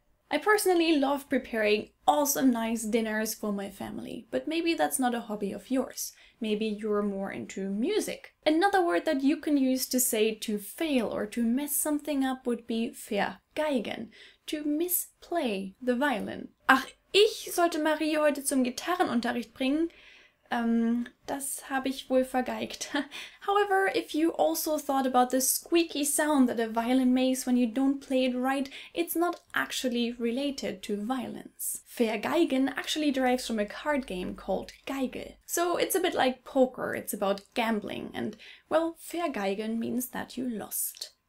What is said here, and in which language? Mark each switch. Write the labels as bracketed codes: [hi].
[en] I personally love preparing awesome nice dinners for my family, but maybe that's not a hobby of yours. Maybe you're more into music. Another word that you can use to say to fail or to mess something up would be vergeigen, to misplay the violin. [de] Ach, ich sollte Marie heute zum Gitarrenunterricht bringen. Das habe ich wohl vergeigt. [en] However, if you also thought about the squeaky sound that a violin makes when you don't play it right, it's not actually related to violins. Vergeigen actually derives from a card game called Geige. So it's a bit like poker, it's about gambling, and, well, vergeigen means that you lost.